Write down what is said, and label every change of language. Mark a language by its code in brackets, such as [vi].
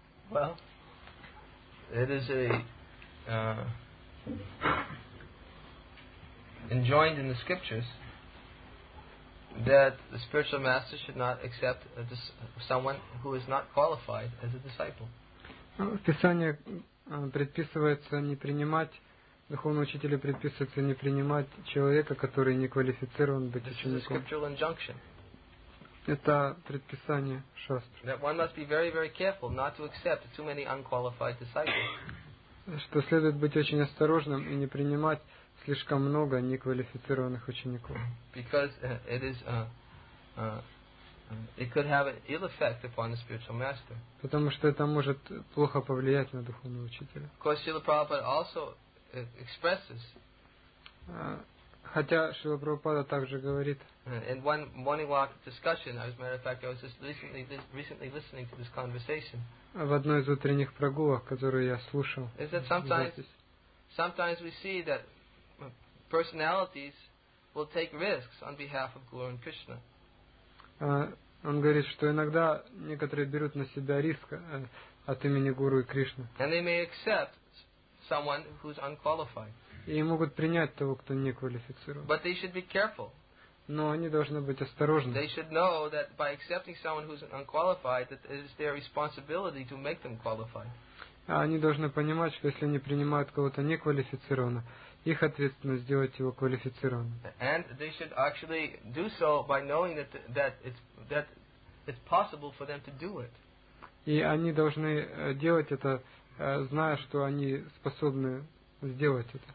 [en] Well, it is a enjoined in the scriptures that the spiritual master should not accept someone who is not qualified as a disciple. [ru] В Писании предписывается не принимать, духовный учитель предписывается не принимать человека, который не квалифицирован быть учеником. [en] This is a scriptural injunction. [ru] Это предписание шастр. [en] That one must be very, very careful not to accept too many unqualified disciples. [ru] Что следует быть очень осторожным и не принимать слишком много неквалифицированных учеников. [en] Because it is it could have an ill effect upon the spiritual master. [ru] Потому что это может плохо повлиять на духовного учителя. [en] Of course, Srila Prabhupada also expresses. [ru] Хотя Шрила Прабхупада также говорит. [en] In one morning walk discussion, as a matter of fact, I was just recently listening to this conversation. [ru] В одной из утренних прогулок, которую я слушал. [en] Is that sometimes we see that personalities will take risks on behalf of Guru and Krishna. [ru] Он говорит, что иногда некоторые берут на себя риск от имени Гуру и Кришны. [en] And they may accept someone who's unqualified. [ru] И могут принять того, кто не квалифицирован. [en] But they should be careful. [ru] Но они должны быть осторожны. [en] They should know that by accepting someone who's unqualified, that it is their responsibility to make them qualified. [ru] Они должны понимать, что если они принимают кого-то неквалифицированного, их ответственность сделать его квалифицированным. [en] And they should actually do so by knowing that it's possible for them to do it. [ru] И они должны делать это, зная, что они способны сделать это.